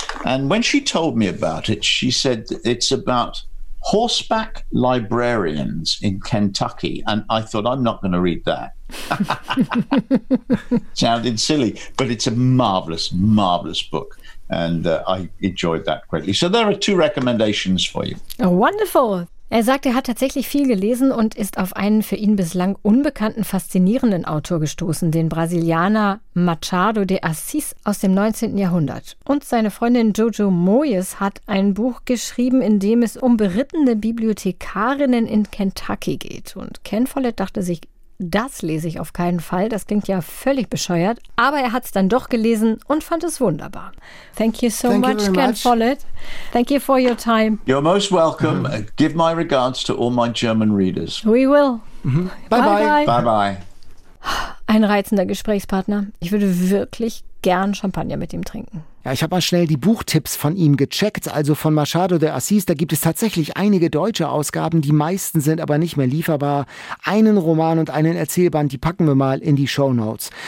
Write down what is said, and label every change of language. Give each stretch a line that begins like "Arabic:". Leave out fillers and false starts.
English: And when she told me about it, she said it's about horseback librarians in Kentucky. And I thought, I'm not going to read that. Sounded silly, but it's a marvelous, marvelous book. And I enjoyed that greatly. So there are two recommendations for you. Oh, wonderful.
German: Er sagt, er hat tatsächlich viel gelesen und ist auf einen für ihn bislang unbekannten, faszinierenden Autor gestoßen, den Brasilianer Machado de Assis aus dem 19. Jahrhundert. Und seine Freundin Jojo Moyes hat ein Buch geschrieben, in dem es um berittene Bibliothekarinnen in Kentucky geht. Und Ken Follett dachte sich, das lese ich auf keinen Fall, das klingt ja völlig bescheuert. Aber er hat es dann doch gelesen und fand es wunderbar.
English: Thank you so much, Ken Follett. Thank you for your time. You're most welcome. Mm-hmm. Give my regards to all my German readers. We will. Mm-hmm. Bye-bye.
German: Ein reizender Gesprächspartner. Ich würde wirklich gern Champagner mit ihm trinken. Ja, ich habe mal schnell die Buchtipps von ihm gecheckt, also von Machado de Assis. Da gibt es tatsächlich einige deutsche Ausgaben, die meisten sind aber nicht mehr lieferbar. Einen Roman und einen Erzählband, die packen wir mal in die Shownotes.